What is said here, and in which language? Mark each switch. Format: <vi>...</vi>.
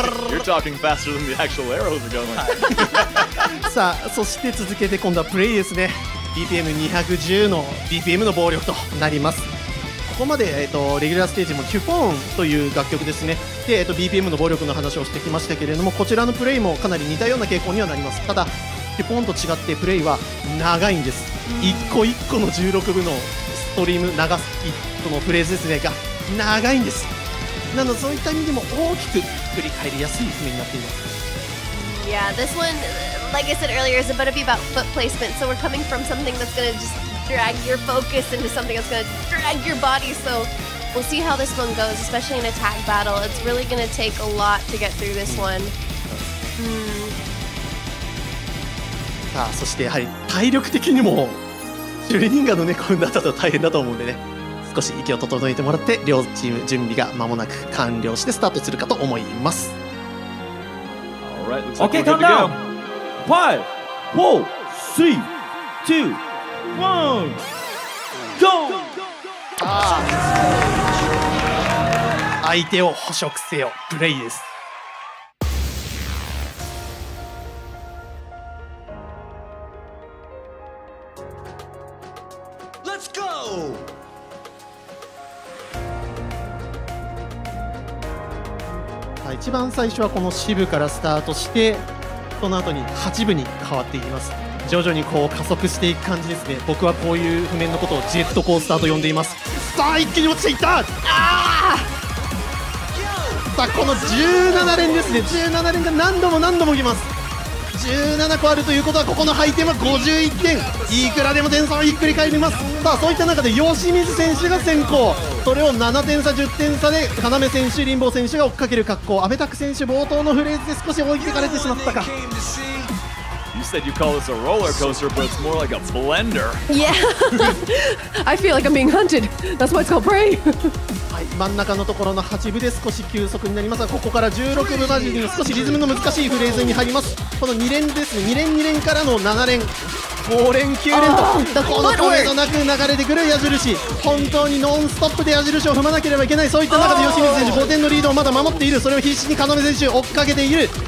<en>You're talking faster than the actual arrows are going.</en> <ja>さあ、そして続けて今度はプレイですね。BPM210 の BPM の暴力となります。ここまで、レギュラーステージもキュポーンという楽曲ですね。で、BPM の暴力の話をしてきましたけれども、こちらのプレイもかなり似たような傾向にはなります。ただ、キュポーンと違ってプレイは長いんです。一個一個の16部のストリーム長すぎ、このフレーズですねが長いんです。なのでそういった意味でも大きく振り返りやすい夢になっています。</ja> <en>Yeah, this one, like I said earlier, is about to be about foot placement. So we're coming from something that's going to just drag your focus into something that's going to drag your body. So we'll see how this one goes, especially in a tag battle. It's really going to take a lot to get through this one.</en> <ja>さあ、そしてやはり体力的にもジュリンガの猫になったと大変だと思うんでね、少し息を整えてもらって両チーム準備が間もなく完了してスタートするかと思います。</ja> <en>Alright, looks like okay, we're good to go. 5 4 3 2 1 GO。</en> <ja>相手を捕食せよ、プレイです。一番最初はこの支部からスタートして、その後に8部に変わっていきます。徐々にこう加速していく感じですね。僕はこういう譜面のことをジェットコースターと呼んでいます。さあ一気に落ちていった。あさあこの17連ですね、17連が何度も何度もきます。 17個あるということはここの配点は51点、いくらでも点差をひっくり返ります。さあそういった中で吉水選手が先行、それを7点差10点差で要選手リンボー選手が追っかける格好。阿部拓選手冒頭のフレーズで少し追いつかれてしまったか。</ja> <en>You said you call this a roller coaster but it's more like a blender. Yeah. I feel like I'm being hunted. That's why it's called brain.</en> <ja>真ん中のところの8部で少し休息になりますが、ここから16部マジで少しリズムの難しいフレーズに入ります。この2連ですね、2連2連からの7連、5連9連とこの声のなく流れてくる矢印、本当にノンストップで矢印を踏まなければいけない。そういった中で吉水選手5点のリードをまだ守っている。それを必死に要選手追っかけている。</ja>